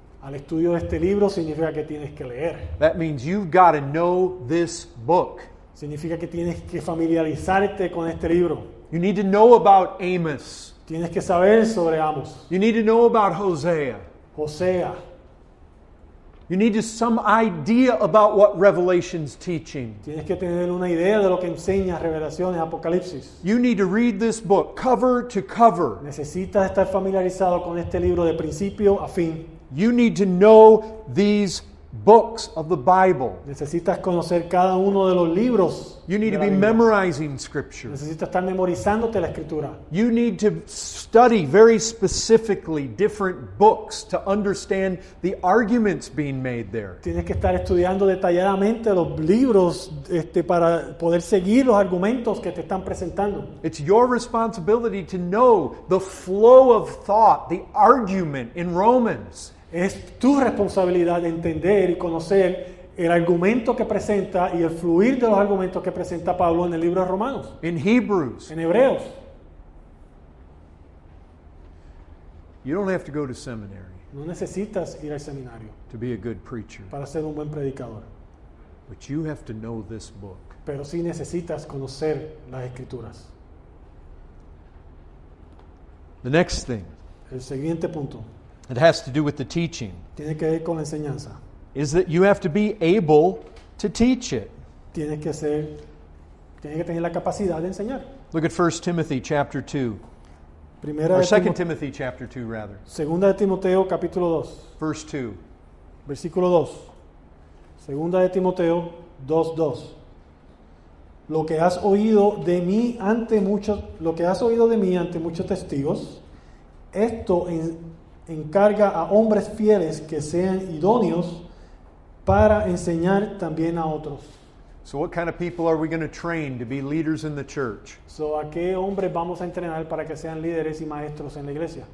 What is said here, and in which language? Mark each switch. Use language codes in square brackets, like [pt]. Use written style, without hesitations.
[es] Al estudio de este libro significa que tienes que leer. [en] That means you've got to know this book. [es] Significa que tienes que familiarizarte con este libro. [en] You need to know about Amos. [es] Tienes que saber sobre Amos. [en] You need to know about Hosea. Hosea. You need to some idea about what Revelation's teaching. [es] Tienes que tener una idea de lo que enseña Revelaciones, Apocalipsis. [en] You need to read this book cover to cover. [es] Necesitas estar familiarizado con este libro de principio a fin. [en] You need to know these books of the Bible. [es] Necesitas conocer cada uno de los libros. [en] You need to be memorizing scripture. [es] Necesitas estar memorizándote la escritura. [en] You need to study very specifically different books to understand the arguments being made there. [es] Tienes que estar estudiando detalladamente los libros para poder seguir los argumentos que te están presentando. [en] It's your responsibility to know the flow of thought, the argument in Romans. [es] Es tu responsabilidad entender y conocer el argumento que presenta y el fluir de los argumentos que presenta Pablo en el libro de Romanos. [en] In Hebrews. [es] En Hebreos. [en] You don't have to go to seminary. [es] No necesitas ir al seminario. [en] To be a good preacher. [es] Para ser un buen predicador. [en] But you have to know this book. [es] Pero sí necesitas conocer las escrituras. [en] The next thing. [es] El siguiente punto. [en] It has to do with the teaching. [es] Tiene que ver con la enseñanza. [en] Is that you have to be able to teach it. [es] Tienes que tener la capacidad de enseñar. [en] Look at 1 Timothy chapter 2. [es] Primera [en] or [es] de [en] 2 Timothy chapter 2 rather. [es] Segunda de Timoteo capítulo 2. [en] Verse 2. [es] Versículo 2. Segunda de Timoteo 2:2. Lo que has oído de mí ante muchos, lo que has oído de mí ante muchos testigos, esto en encarga a hombres fieles que sean idóneos para enseñar también a otros. [en] So what kind of people are we going to train to be leaders in the church? [es] So a qué hombres vamos a entrenar para que sean líderes y maestros en la iglesia?